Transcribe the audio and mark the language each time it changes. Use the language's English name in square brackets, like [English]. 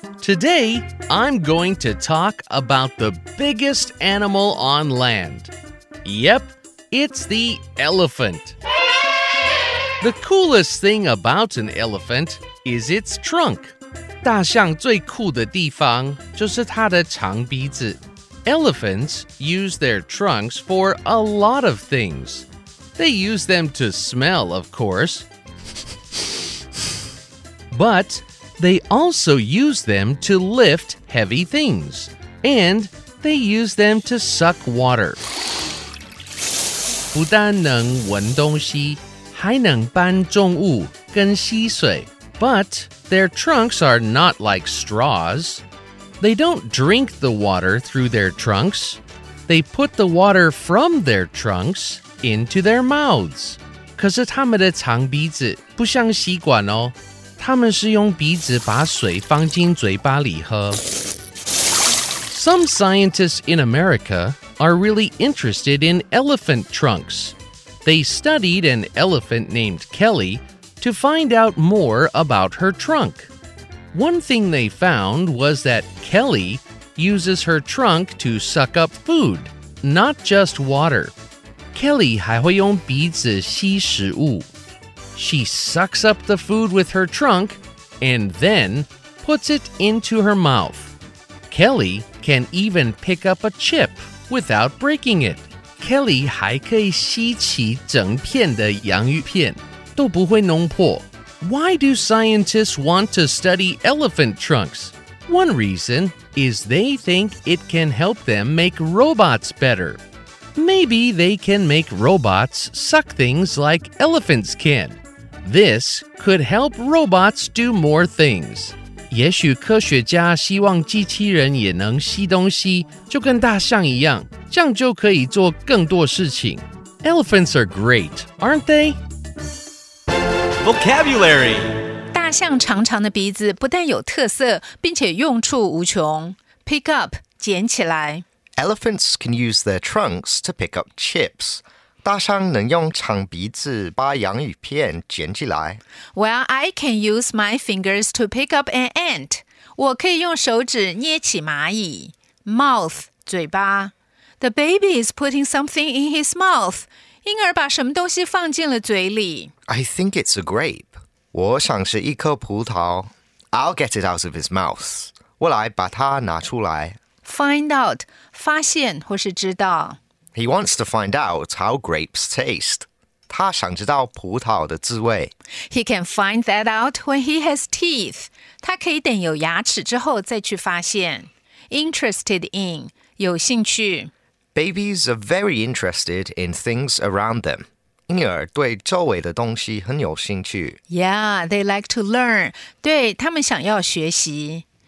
[English] Today, I'm going to talk about the biggest animal on land. Yep, it's the elephant. The coolest thing about an elephant is its trunk. [Chinese] 大象最酷的地方就是它的长鼻子。 [English] Elephants use their trunks for a lot of things. They use them to smell, of course. But they also use them to lift heavy things. And they use them to suck water. [Chinese] 不但能闻东西还能搬重物跟吸水。 [English] But their trunks are not like straws. They don't drink the water through their trunks. They put the water from their trunks into their mouths. [Chinese] 可是他们的长鼻子不像吸管哦。他们是用鼻子把水放进嘴巴里喝。 [English] Some scientists in America are really interested in elephant trunks. They studied an elephant named Kelly to find out more about her trunk. One thing they found was that Kelly uses her trunk to suck up food, not just water. [Chinese] Kelly 还会用鼻子吸食物。 [English] She sucks up the food with her trunk and then puts it into her mouth. Kelly can even pick up a chip without breaking it. [Chinese] Kelly 还可以吸起整片的洋芋片，都不会弄破。 [English] Why do scientists want to study elephant trunks? One reason is they think it can help them make robots better. Maybe they can make robots suck things like elephants can. This could help robots do more things. [Chinese] 也许科学家希望机器人也能吸东西，就跟大象一样。这样就可以做更多事情。 [English] Elephants are great, aren't they? Vocabulary. [Chinese] 大象长长的鼻子不但有特色，并且用处无穷。 [English] Pick up, [Chinese] 捡起来。 [English] Elephants can use their trunks to pick up chips. [Chinese] 大象能用长鼻子把洋芋片捡起来。 [English] Well, I can use my fingers to pick up an ant. [Chinese] 我可以用手指捏起蚂蚁。 [English] Mouth, [Chinese] 嘴巴。 [English] The baby is putting something in his mouth. [Chinese] 婴儿把什么东西放进了嘴里。 [English] I think it's a grape. [Chinese] 我想是一颗葡萄。 [English] I'll get it out of his mouth. [Chinese] 我来把它拿出来。 [English] Find out, [Chinese] 发现或是知道。 [English] He wants to find out how grapes taste. [Chinese] 他想知道葡萄的滋味。 [English] He can find that out when he has teeth. [Chinese] 他可以等有牙齿之后再去发现。 [English] Interested in, [Chinese] 有兴趣。 [English] Babies are very interested in things around them. [Chinese] 婴儿对周围的东西很有兴趣。 [English] Yeah, they like to learn. [Chinese] 对，他们想要学习。